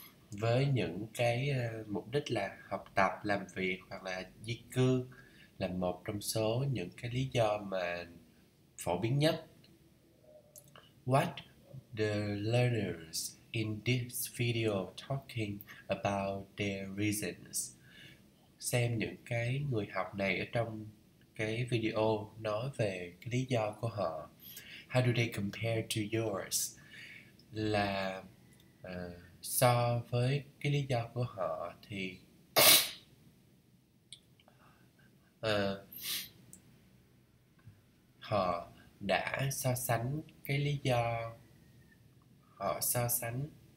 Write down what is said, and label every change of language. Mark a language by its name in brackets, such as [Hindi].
[Vietnamese] Với những cái mục đích là học tập, làm việc hoặc là di cư là một trong số những cái lý do mà phổ biến nhất. [English] What the learners in this video talking about their reasons. [Vietnamese] Xem những cái người học này ở trong cái video nói về cái lý do của họ. [English] How do they compare to yours? [Vietnamese] Là so với cái lý do của họ thì họ đã so sánh cái lý do họ so sánh.